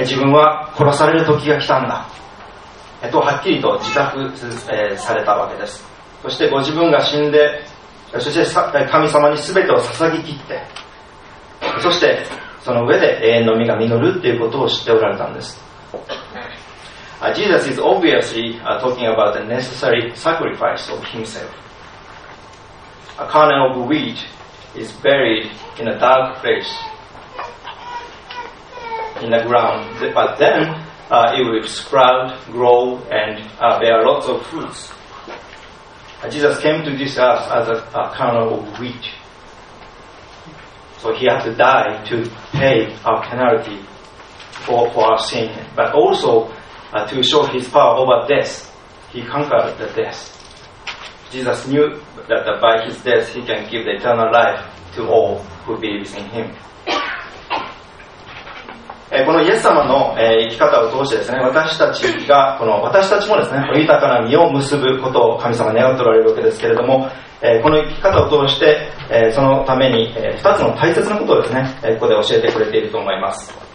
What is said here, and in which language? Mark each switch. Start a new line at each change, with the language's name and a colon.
Japanese: 自分は殺される時が来たんだ。とはっきりと自覚されたわけです。そしてご自分が死んで、そして神様に全てを捧げ切って、そしてその上で永遠の実が実るということを知っておられたんです。
English: Jesus is obviously talking about the necessary sacrifice of himself. A kernel of wheat is buried in a dark place in the ground, but then it will sprout, grow, and bear lots of fruits. Jesus came to this earth as a kernel of wheat. So he had to die to pay our penalty for our sin. But also, to show his power over death, he conquered the death. Jesus knew that by his death, he can give the eternal life to all who believe in him.
Japanese: このイエス様の生き方を通してですね、私たちが、この私たちもですね、豊かな実を結ぶことを神様願っておられるわけですけれども、この生き方を通して、そのために、2つの大切なことをですね、ここで教えてくれていると思います。